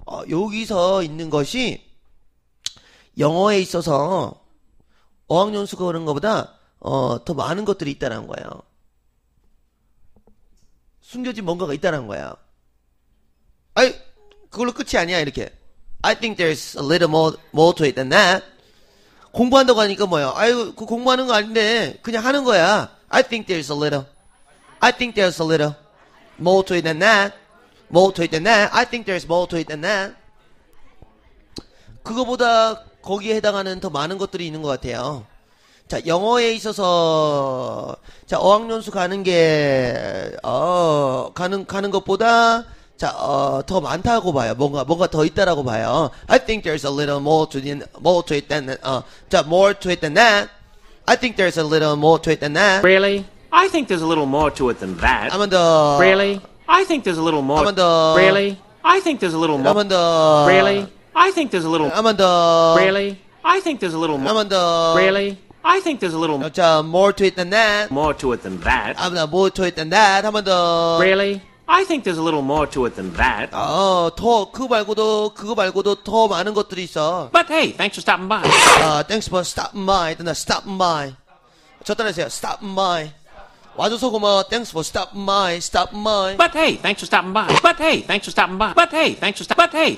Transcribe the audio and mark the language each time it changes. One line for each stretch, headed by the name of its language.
Korean: 여기서 있는 것이 영어에 있어서 어학연 수가 그런 것보다 더 많은 것들이 있다라는 거예요. 숨겨진 뭔가가 있다라는 거예요. 아이 그걸로 끝이 아니야 이렇게.
English: I think there's a little more to it than that.
Korean: 공부한다고 하니까 뭐야? 아유 그 공부하는 거 아닌데 그냥 하는 거야.
English: I think there's a little. I think there's a little more to it than that. More to it than that. I think there's more to it than that.
Korean: 그거보다 거기에 해당하는 더 많은 것들이 있는 것 같아요. 자, 영어에 있어서, 자, 어학연수 가는 게, 가는 것보다, 자, 더 많다고 봐요. 뭔가 더 있다라고 봐요.
English: I think there's a little more to it than, 자, more to it than that. I think there's a little more to it than that. Really? I think there's a little more to it than that.
Korean: 한 번 더.
English: Really? I think there's a little more.
Korean: 한 번 더.
English: Really? I think there's a little more.
Korean: 한 번 더.
English: Really? I think there's a little.
Korean: 한 번 더.
English: Really? I think there's a little more.
Korean: 한 번 더.
English: Really? I think there's a little. 자, more to it than that. More to it than that.
Korean: 한 번 더.
English: More to it than that.
Korean: 한 번 더.
English: Really? I think there's a little more to it than that.
Korean: 그거 말고도 더 많은 것들이 있어.
English: But hey, thanks for stopping by. Thanks for stopping by. 나 stopping by.
Korean: 저 따라하세요.
English: Stopping by.
Korean: 와줘서 고마워.
English: Thanks for stopping by. Stopping by. But hey, thanks for stopping by. But hey, thanks for stopping by. But hey, thanks for stopping by.